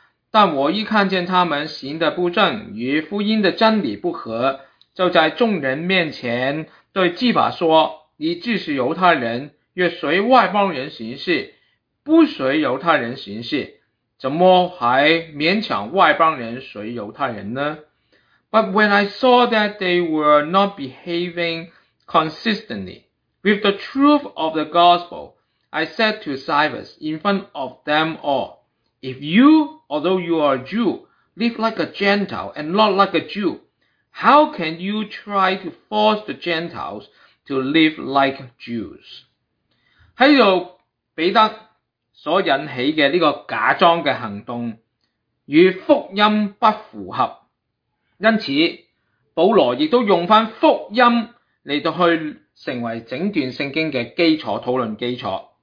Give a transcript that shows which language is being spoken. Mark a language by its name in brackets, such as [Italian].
[Chinese] 但我一看见他们行的不正，与福音的真理不合，就在众人面前对基法说，你既是犹太人，若随外邦人行事不随犹太人行事，怎么还勉强外邦人随犹太人呢？ [English] But when I saw that they were not behaving consistently with the truth of the gospel, I said to Silas in front of them all, if you, although you are a Jew, live like a Gentile and not like a Jew, how can you try to force the Gentiles to live like Jews? [Chinese] 在这里彼得所引起的这个假装的行动与福音不符合，因此保罗也都用回福音来到去成为整段圣经的基础讨论基础。